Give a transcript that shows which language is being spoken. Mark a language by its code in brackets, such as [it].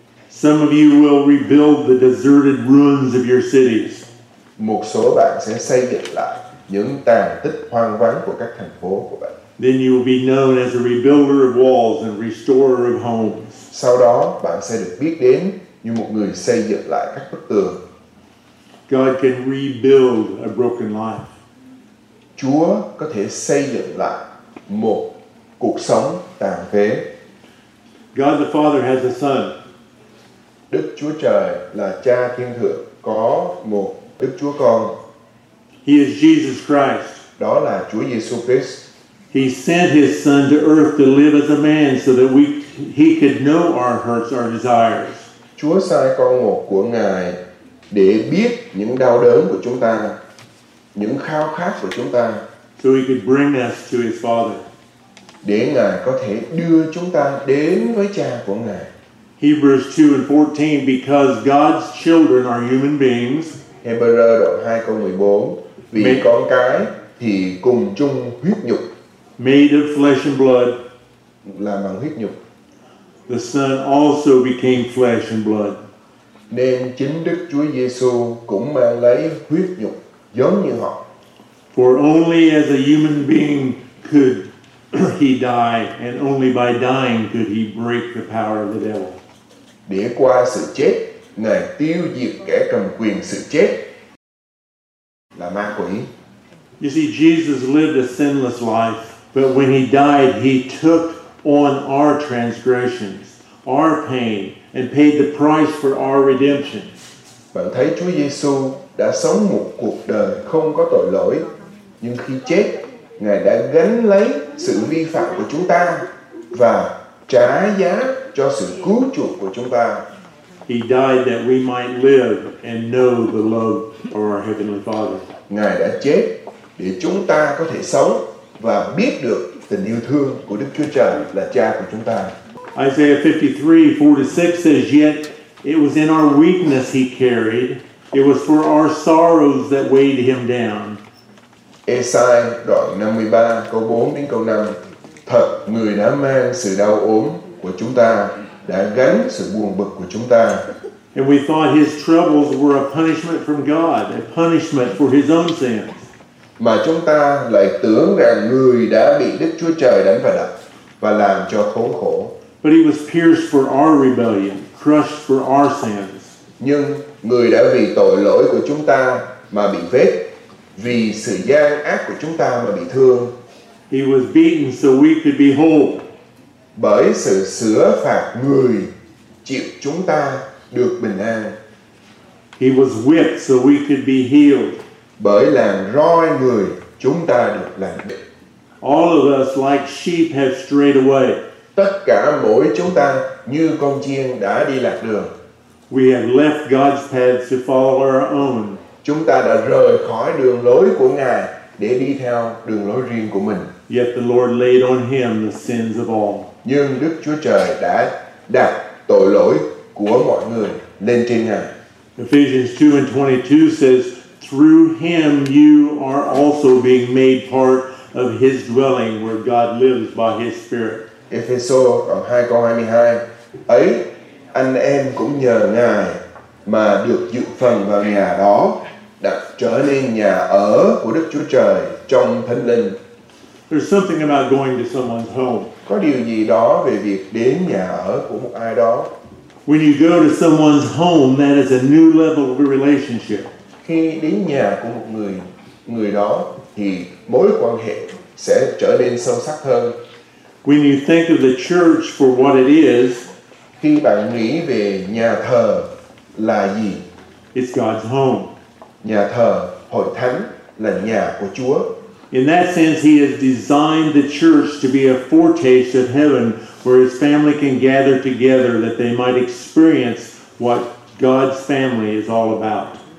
[en] Some of you will rebuild the deserted ruins of your cities. [vi] Một số bạn sẽ xây dựng lại những tàn tích hoang vắng của các thành phố của bạn. [en] Then you will be known as a rebuilder of walls and restorer of homes. [vi] Sau đó, bạn sẽ được biết đến như một người xây dựng lại các bức tường. [en] God can rebuild a broken life. [vi] Chúa có thể xây dựng lại một cuộc sống tàn phế. [en] God the Father has a son. [vi] Đức Chúa Trời là Cha Thiên Thượng có một Đức Chúa Con. [en] He is Jesus Christ. [vi] Đó là Chúa Giêsu Christ. [en] He sent his son to earth to live as a man so that he could know our hurts, our desires. [vi] Chúa sai con một của Ngài để biết những đau đớn của chúng ta, những khao khát của chúng ta. [en] So he could bring us to his Father. [vi] Để Ngài có thể đưa chúng ta đến với Cha của Ngài. [en] Hebrews 2 and 14, because God's children are human beings. [vi] Hebrews 2 câu 14, vì made, con cái thì cùng chung huyết nhục. [en] Made of flesh and blood. [vi] Làm bằng huyết nhục. [en] The Son also became flesh and blood. [vi] Nên chính Đức Chúa Giêsu cũng mang lấy huyết nhục giống như họ. [en] For only as a human being could he died, and only by dying could he break the power of the devil. [vi] Để qua sự chết, Ngài tiêu diệt kẻ cầm quyền sự chết là ma quỷ. [en] You see, Jesus lived a sinless life, but when he died, he took on our transgressions, our pain, and paid the price for our redemption. [vi] Bạn thấy Chúa Giêsu đã sống một cuộc đời không có tội lỗi, nhưng khi chết, Ngài đã gánh lấy sự vi phạm của chúng ta và trả giá cho sự cứu chuộc của chúng ta. [en] He died that we might live and know the love of our heavenly Father. [vi] Ngài đã chết để chúng ta có thể sống và biết được tình yêu thương của Đức Chúa Trời là Cha của chúng ta. [en] Isaiah 53:4-6 says, yet it was in our weakness he carried, it was for our sorrows that weighed him down. [vi] Esai đoạn 53 câu 4 đến câu 5. Thật, người đã mang sự đau ốm của chúng ta, đã gánh sự buồn bực của chúng ta. [en] And we thought his troubles were a punishment from God, a punishment for his own sins. [vi] Mà chúng ta lại tưởng rằng người đã bị Đức Chúa Trời đánh vào đập và làm cho khốn khổ. [en] But he was pierced for our rebellion, crushed for our sins. [vi] Nhưng người đã vì tội lỗi của chúng ta mà bị vết, vì sự gian ác của chúng ta mà bị thương. [en] He was beaten so we could be whole. [vi] Bởi sự sửa phạt người chịu, chúng ta được bình an. [en] He was whipped so we could be healed. [vi] Bởi làn roi người, chúng ta được lành bệnh. [en] All of us like sheep have strayed away. [vi] Tất cả mỗi chúng ta như con chiên đã đi lạc đường. [en] We have left God's path to follow our own. [vi] Chúng ta đã rời khỏi đường lối của Ngài để đi theo đường lối riêng của mình. [en] Yet the Lord laid on him the sins of all. [vi] Nhưng Đức Chúa Trời đã đặt tội lỗi của mọi người lên trên Ngài. [en] Ephesians 2:22 says, through him you are also being made part of his dwelling where God lives by his Spirit. [vi] Ephesians 2:22, ấy anh em cũng nhờ Ngài mà được dự phần vào nhà đó, đặt trở nên nhà ở của Đức Chúa Trời trong Thánh Linh. [en] There's something about going to someone's home. [vi] Có điều gì đó về việc đến nhà ở của một ai đó. [en] When you go to someone's home, that is a new level of a relationship. [vi] Khi đến nhà của một người, người đó thì mối quan hệ sẽ trở nên sâu sắc hơn. [en] When you think of the church for what it is, [vi] khi bạn nghĩ về nhà thờ là gì? [en] It's God's home. [vi] Nhà thờ, hội thánh là nhà của Chúa. [en] In that sense, he has designed the church to be a foretaste of heaven where his family can gather together that they might experience what God's family is all about.